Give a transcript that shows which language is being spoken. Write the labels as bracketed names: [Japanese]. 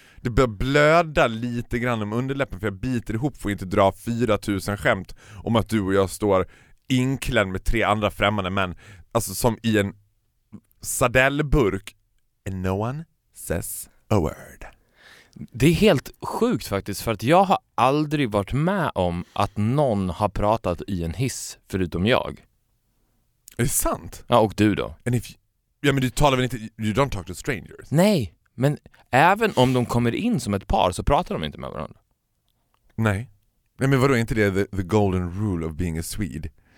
[Swedish] Det börjar blöda lite grann om underläppen för jag biter ihop, får inte dra 4000 skämt om att du och jag står inklädd med tre andra främmande män, alltså som i en sardellburk. [English] And no one says a word. [Swedish] Det är helt sjukt faktiskt, för att jag har aldrig varit med om att någon har pratat i en hiss förutom jag. Är det sant? Ja, och du då? [English] And if you, [Swedish] ja, men du talar väl inte, [English] you don't talk to strangers. [Swedish] Nej, men även om de kommer in som ett par så pratar de inte med varandra. Nej. Nej, men vadå, är inte det [English] the golden rule of being a Swede?